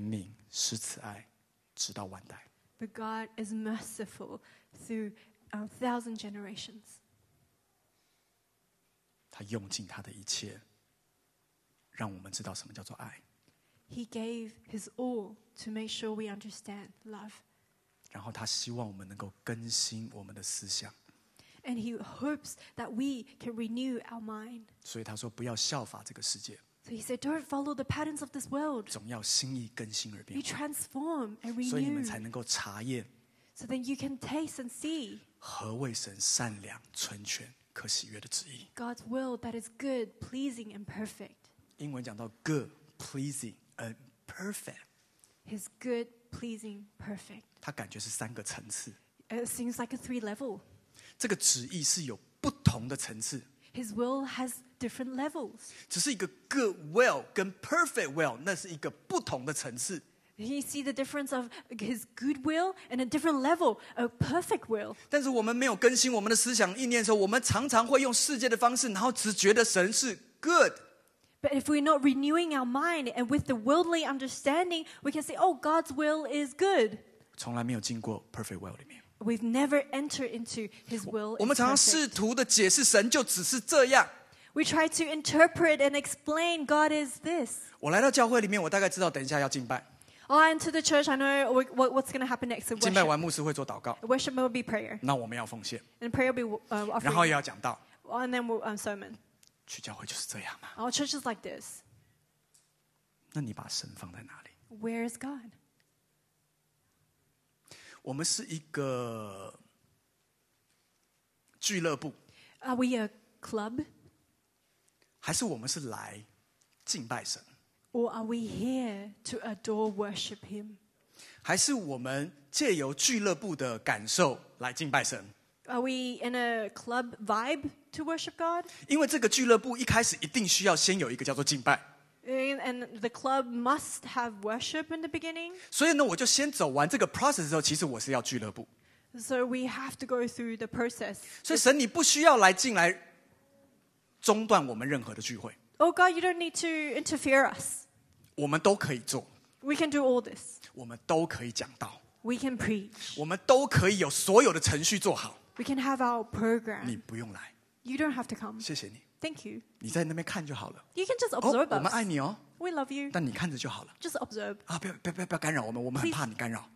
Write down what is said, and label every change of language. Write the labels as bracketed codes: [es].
[zh] 但是这位神怜悯施慈爱直到万代， [en] But God is merciful through a thousand generations. [zh] 用尽他的一切，让我们知道什么叫做爱。 [en] He gave his all to make sure we understand love. [zh] 然后他希望我们能够更新我们的思想。 [en] And he hopes that we can renew our mind. [zh] 所以他说不要效法这个世界。 [en] So he said, don't follow the patterns of this world. [zh] 总要心意更新而变化。 [en] Be transformed and renewed. [zh] 所以你们才能够查验。 [en] So then you can taste and see. [zh] 何谓神善良、纯全、可喜悦的旨意。 [en] God's will that is good, pleasing and perfect. [zh] 英文讲到 [en] good, pleasing and perfect. His good, pleasing, perfect. [zh] 他感觉是三个层次。 [en] It seems like a three level. [zh] 这个旨意是有不同的层次。 [en] His will has different levels. [zh] 只是一个 [en] good will [zh] 跟 [en] perfect will， [zh] 那是一个不同的层次。 [en] He see the difference of his good will and a different level, a perfect will. [zh] 但是我们没有更新我们的思想意念的时候，我们常常会用世界的方式，然后只觉得神是 good。 [en] But if we're not renewing our mind and with the worldly understanding, we can say, "Oh, God's will is good." [zh] 从来没有进过 [en] perfect will [zh] 里面。 [en] We've never entered into His will. [zh] 我们常常试图的解释神就只是这样。 [en] We try to interpret and explain God is this. [zh] 我来到教会里面，我大概知道等一下要敬拜。 [en] I enter the church. I know what's going to happen next. [zh] 敬拜完牧师会做祷告。 [en] Worship will be prayer. [zh] 那我们要奉献。 [en] And prayer will be offering. [zh] 然后也要讲道。 [en] And then we'll sermon. [zh] 去教会就是这样嘛。 [en] Our church is like this. [zh] 那你把神放在哪里？ [en] Where is God? [zh] 我们是一个俱乐部。 [en] Are we a club? [zh] 还是我们是来敬拜神？ [en] Or are we here to adore worship him? [zh] 还是我们借由俱乐部的感受来敬拜神？ [en] Are we in a club vibe to worship God? [zh] 因为这个俱乐部一开始一定需要先有一个叫做敬拜。 [en] And the club must have worship in the beginning. [zh] 所以呢，我就先走完这个 process 之后，其实我是要俱乐部。 [en] So we have to go through the process. [zh] 所以神，你不需要来进来中断我们任何的聚会。 [en] Oh God, you don't need to interfere us. [zh] 我们都可以做。 [en] We can do all this. [zh] 我们都可以讲道。 [en] We can preach. [zh] 我们都可以有所有的程序做好。 [en] We can have our program. [zh] 你不用来。 [en] You don't have to come. [zh] 谢谢你。 [en] Thank you. [zh] 你在那边看就好了。 [en] You can just observe us. [zh] 我们爱你哦。 [en] We love you. [zh] 但你看着就好了。 [en] Just observe. [zh] 啊，不要干扰我们，我们很怕你干扰。